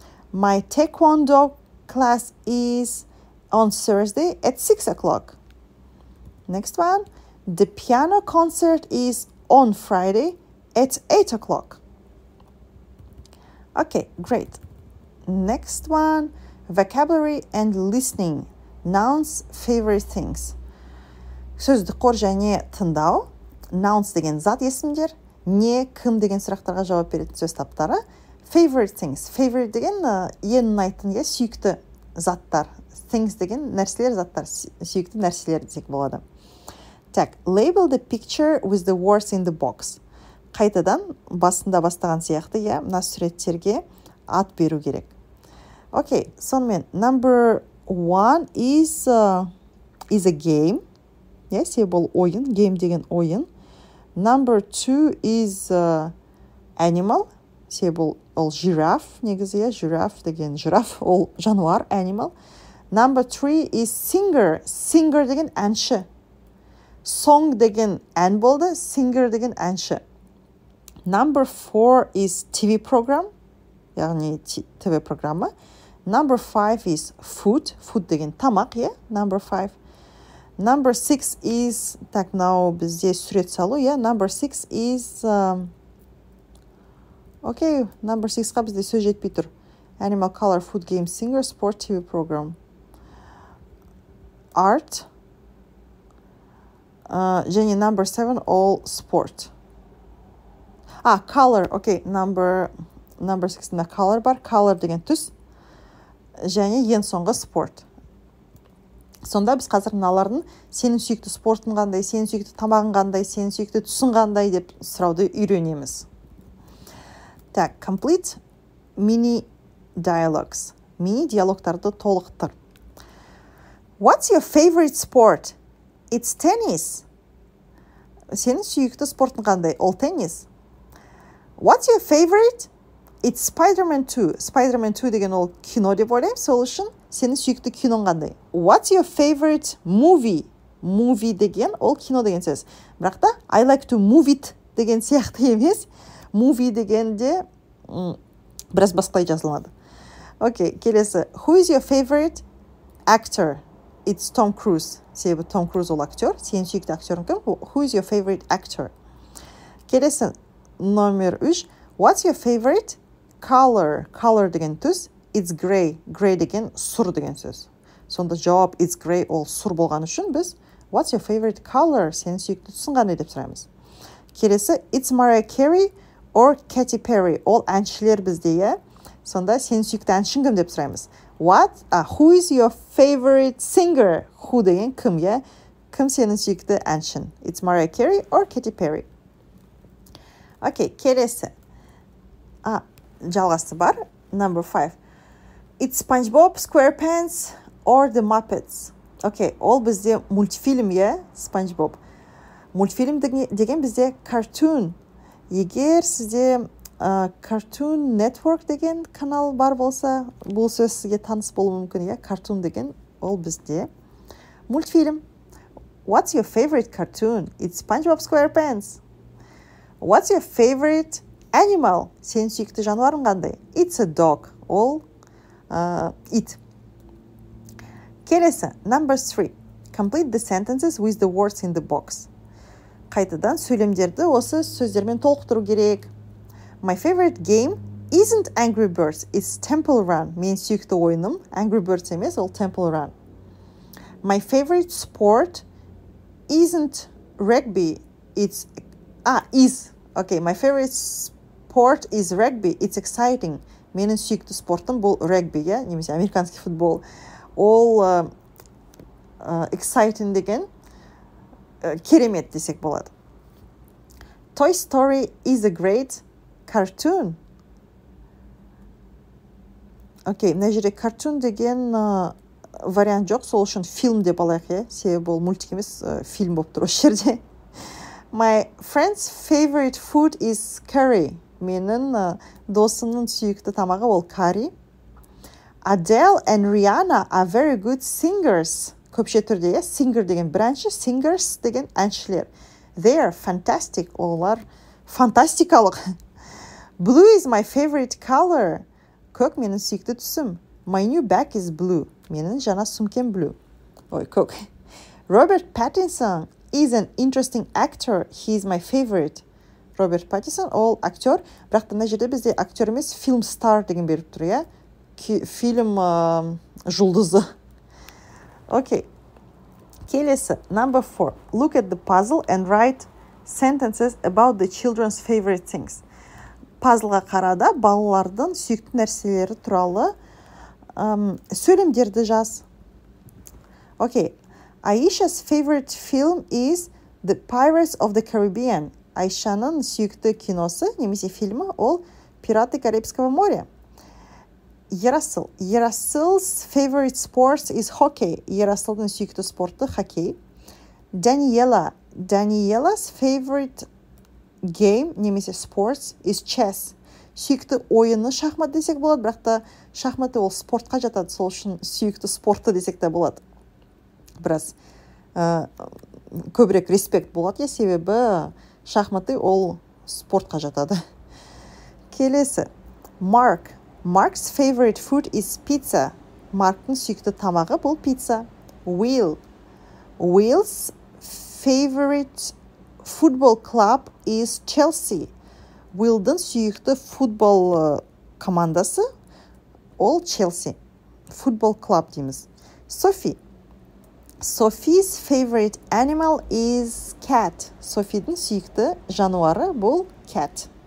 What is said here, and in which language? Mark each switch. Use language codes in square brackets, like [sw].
[en] My taekwondo class is on Thursday at 6 o'clock. Next one. The piano concert is on Friday at 8 o'clock. Okay, great. Next one. Vocabulary and listening. Nouns, favorite things. [kk] Сөзді қор және тыңдау. Nouns деген зат есімдер. Не, кім деген сұрақтарға жауап беретін сөз таптары. [en] Favorite things. [kk] Favorite деген ең ұнайтын, е, сүйікті заттар. Things деген нәрселер, заттар, сүйікті нәрселер десек болады. [en] Так, label the picture with the words in the box. [kk] Қайтадан басында бастаған сияқты, е, мына суреттерге ат беру керек. Окей, сонымен, [en] number one is a game. [kk] Е, себебі ол ойын, game деген ойын. [en] Number two is animal. [kk] Себебі ол жираф, негізі, е, жираф деген жираф, ол жануар, animal. [en] Number 3 is singer. [kk] Singer деген әнші. Song деген ән болды, singer деген әнші. [en] Number 4 is TV program. [kk] Яғни TV программа. [en] Number 5 is food. [kk] Food деген тамақ, yeah? [en] Number 5. Number 6 is... [kk] Так, now бізде сурет салу, yeah? [en] Number 6 is... [kk] Okay, number 6-қа бізде сөз жетпей тұр. [en] Animal color, food game, singer, sport, TV program. Art. Және number 7, all sport. Ah, color. [kk] Okay, number 6-ында color бар. Color деген түс. Және ең соңғы спорт. Сонда біз қазір мыналардың сенің сүйікті спортың қандай, сенің сүйікті тамағың қандай, сенің сүйікті түсің қандай деп сұрауды үйренеміз. [en] Так, complete mini dialogues. [kk] Mini диалогтарды толықтыр. [en] What's your favorite sport? It's tennis. [kk] Сенің сүйікті спортың қандай? Ол теннис. [en] What's your favorite? It's Spider-Man 2. [kk] Spider-Man 2 деген ол кино деп ойлайым. Сол үшін сенің сүйікті кинон қандай? [en] What's your favorite movie? [kk] Movie деген ол кино деген сөз. Бірақ та [en] I like to move it [kk] деген сияқты емес. Movie дегенде біраз басқалай жазылады. Окей, келесі. [en] Who is your favorite actor? It's Tom Cruise. [kk] Себебі Tom Cruise ол актер. Сенің сүйікті актерің кім? [en] Who is your favorite actor? [kk] Келесі. Номер 3. [en] What's your favorite color? [kk] Color деген түс. [en] It's gray. [kk] Gray деген сұр деген сөз. Сонда жауап [en] it's gray [kk] ол сұр болған үшін біз [en] What's your favorite color? [kk] Сенің сүйікті түсің қандай деп сұраймыз. [en] Келесі. It's Mariah Carey. Or Katy Perry. [kk] All әншілер бізде, е? Сонда сенің сүйікті әншің кім деп сұраймыз. [en] What? Who is your favorite singer? [kk] Who деген кім, е? Кім сенің сүйікті әншің? [en] It's Mariah Carey or Katy Perry. [kk] Окей, келесі. Жалғасы бар. Number 5. [en] It's SpongeBob SquarePants or The Muppets. [kk] Окей, ол бізде мультфильм, е? SpongeBob. Мультфильм деген бізде cartoon. Егер сізде Cartoon Network деген канал бар болса, бұл сөз сізге таныс болуы мүмкін, е? Cartoon деген ол бізде. Мультфильм. [en] What's your favorite cartoon? It's SpongeBob SquarePants. What's your favorite animal? [kk] Сен сүйікті жануарың қандай? [en] It's a dog. Ол it. Келесі. Number 3. Complete the sentences with the words in the box. [kk] Қайтадан сөйлемдерді осы сөздермен толықтыру керек. [en] My favorite game isn't Angry Birds, it's Temple Run. [kk] Мен сүйікті ойыным Angry Birds емес, ол Temple Run. [en] My favorite sport isn't rugby, it's is. Okay, my favorite sport is rugby, it's exciting. [kk] Менің сүйікті спортым бұл rugby, я, немесе [ru] американский футбол. [kk] Ол exciting деген керемет десек болады. [en] Toy Story is a great cartoon. [kk] Окей, мына жерде cartoon деген вариант жоқ, сол үшін фильм деп алайық, себебі ол мультик емес, фильм болып тұр осы жерде. [en] My friend's favorite food is curry. [kk] Менің досымның сүйікті тамағы ол curry. [en] Adele and Rihanna are very good singers. [kk] Көпше түрде, е? Singer деген бірінші, singers деген әншілер. [en] They are fantastic. [kk] Олар фантастикалық. [en] Blue is my favorite color. [kk] Көк менің сүйікті түсім. [en] My new bag is blue. [kk] Менің жаңа сумкем blue. Ой, көк. [en] Robert Pattinson is an interesting actor. He is my favorite. [kk] Robert Pattinson, ол актер. Бірақ та мына жерде бізде актер емес, film star деген беріп тұр, е? Фильм жұлдызы. Окей, okay. Келесі, number 4. [en] Look at the puzzle and write sentences about the children's favorite things. [kk] Пазлға қарада балалардың сүйікті нәрселері туралы сөйлемдерді жаз. Окей, okay. [en] Aisha's favorite film is The Pirates of the Caribbean. [kk] Айшаның сүйікті киносы, немесе фильмі, ол [ru] Пираты Карибского моря. [kk] Ярасыл. [en] Ярасыл's favorite sport is hockey. [kk] Ярасылдың сүйікті спорты хоккей. Даниела. [en] Даниела's favorite game, [kk] немесе [en] sports, is chess. [kk] сүйікті ойыны шахмат десек болады, бірақ та шахмат ол спортқа жатады, сол үшін сүйікті спорты десек те болады. Біраз көбірек респект болады, я себебі шахматы ол спортқа жатады. Келесі, Mark. [en] Mark's favorite food is pizza. [kk] Марктың сүйікті тамағы бұл пицца. Will. [en] Will's favorite football club is Chelsea. [kk] Will-дың сүйікті футбол командасы ол Chelsea. Футбол клуб дейміз. Sophie. [en] Sophie's favorite animal is cat. [kk] Sophie-дің сүйікті жануары бұл cat.